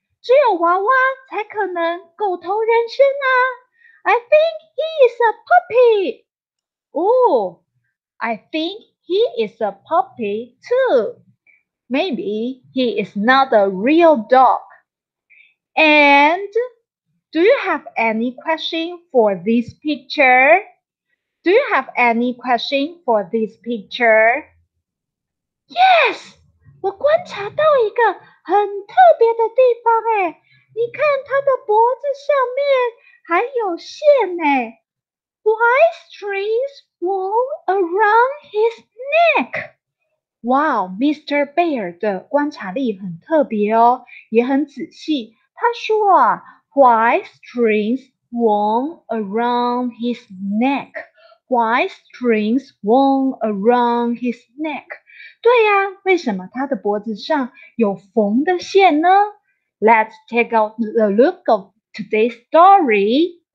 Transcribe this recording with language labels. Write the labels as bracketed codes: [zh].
[zh] 只有娃娃才可能狗头人身啊。 [en] I think he is a puppy. Oh, I think he is a puppy too. Maybe he is not a real dog. And do you have any question for this picture? Do you have any question for this picture? Yes! [zh] 我观察到一个很特别的地方耶。你看它的脖子上面还有线耶。 [en] Why strings wound around his neck? [zh] Wow, Mr. Bear 的观察力很特别哦，也很仔细。他说啊 [en] ,why strings wound around his neck? Why strings wound around his neck? [zh] 对呀、啊、为什么他的脖子上有缝的线呢 [en] ?Let's take out the look of today's story.